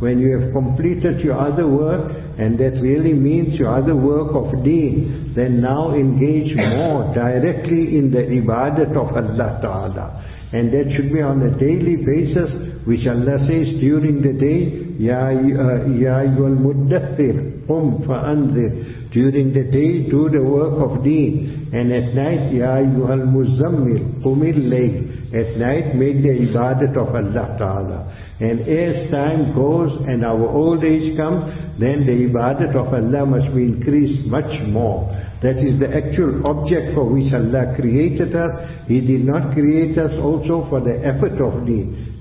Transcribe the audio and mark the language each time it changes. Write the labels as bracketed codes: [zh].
[en] When you have completed your other work, and that really means your other work of deen, then now engage more directly in the ibadat of Allah Ta'ala. And that should be on a daily basis, which Allah says during the day, [ar] يَا أَيُّهَا الْمُدَّثِّرُ قُمْ فَأَنذِرْ. [en] During the day, do the work of deen. And at night, [ar] يَا أَيُّهَا الْمُزَّمِّرُ قُمِ اللَّيْلِ. [en] At night, make the ibadat of Allah Ta'ala. And as time goes and our old age comes, then the ibadat of Allah must be increased much more. That is the actual object for which Allah created us. He did not create us also for the effort of deen.